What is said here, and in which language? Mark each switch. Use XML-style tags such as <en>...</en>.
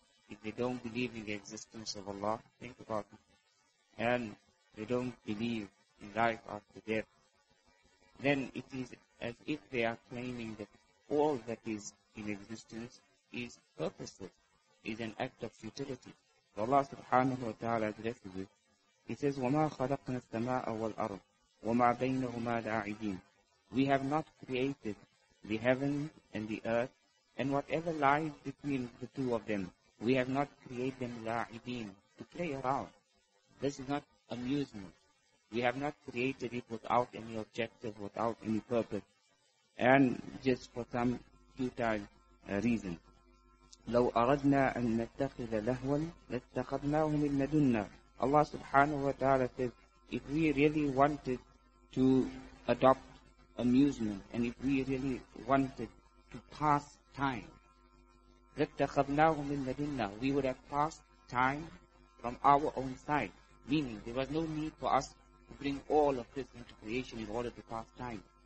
<en>If they don't believe in the existence of Allah, think about it, and they don't believe in life after death, then it is as if they are claiming that all that is in existence is purposeless, is an act of futility. So Allah subhanahu wa ta'ala addresses it.</en> <ar>He says, وَمَا خَلَقْنَا السَّمَاءَ وَالْأَرْضِ وَمَا بَيْنَهُمَا لَاعِبِينَ.</ar> <en>We have not created the heaven and the earth and whatever lies between the two of them. We have not created them la'ibin, to play around. This is not amusement. We have not created it without any objective, without any purpose, and just for some futile reason.</en> <ar>لو أردنا أن نتخذ لهوا لاتخذناه من لدنا.</ar> <en>Allah subhanahu wa ta'ala says, if we really wanted to adopt amusement, and if we really wanted to pass time,</en> <ar>لَتَّخَذْنَاهُ مِنْ لَدِنَّا,</ar> <en>we would have passed time from our own side, meaning there was no need for us to bring all of this into creation in order to pass time.</en>